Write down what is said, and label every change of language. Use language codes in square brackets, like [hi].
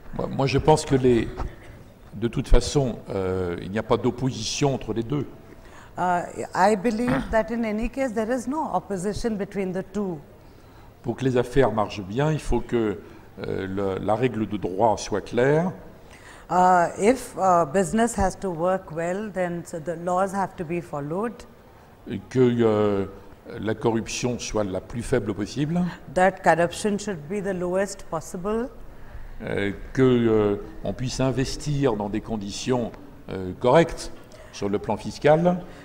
[fr] Moi, je pense que les, de toute façon, il n'y a pas d'opposition entre les deux. [en] I believe that in any case, there is no opposition between the two. [fr] Pour que les affaires marchent bien, il faut que la règle de droit soit claire. [en] If business has to work well, then the laws have to be followed. [fr] Que la corruption soit la plus faible possible. [en] That corruption should be the lowest possible. [fr] Que on puisse investir dans des conditions correctes sur le plan fiscal.